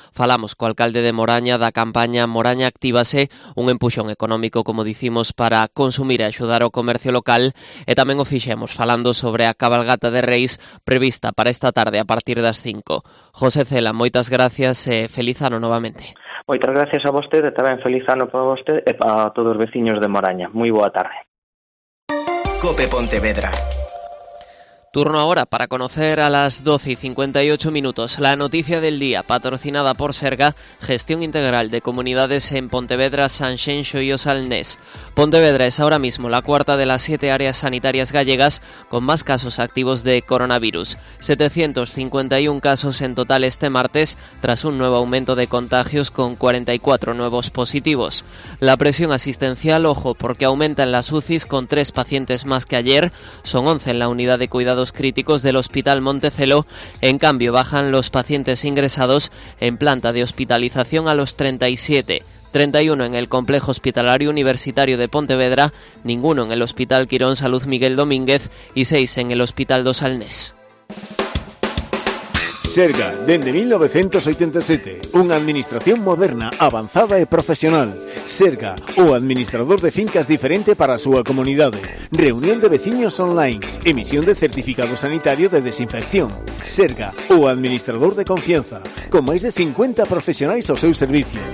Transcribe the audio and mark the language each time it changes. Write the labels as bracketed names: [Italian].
[Galician] Falamos co alcalde de Moraña da campaña Moraña Actívase, un empuxón económico, como dicimos, para consumir e axudar o comercio local. E tamén o fixemos falando sobre a cabalgata de Reis prevista para esta tarde a partir das 5. José Cela, moitas gracias e feliz ano novamente. Moitas gracias a vostede, tamén feliz ano para vostede e para todos os veciños de Moraña. Moi boa tarde. COPE Pontevedra. [Spanish] Turno ahora para conocer a las 12:58 minutos la noticia del día, patrocinada por Serga, gestión integral de comunidades en Pontevedra, Sanxenxo y Osalnés. Pontevedra es ahora mismo la cuarta de las 7 áreas sanitarias gallegas con más casos activos de coronavirus. 751 casos en total este martes, tras un nuevo aumento de contagios con 44 nuevos positivos. La presión asistencial, ojo, porque aumenta en las UCIs con 3 pacientes más que ayer, son 11 en la unidad de cuidados críticos del Hospital Montecelo. En cambio, bajan los pacientes ingresados en planta de hospitalización a los 37, 31 en el Complejo Hospitalario Universitario de Pontevedra, ninguno en el Hospital Quirón Salud Miguel Domínguez y 6 en el Hospital Dos Alnés. [Galician] Serga, dende 1987, unha administración moderna, avanzada e profesional. Serga, o administrador de fincas diferente para a súa comunidade. Reunión de veciños online, emisión de certificado sanitario de desinfección. Serga, o administrador de confianza, con máis de 50 profesionais ao seu servicio.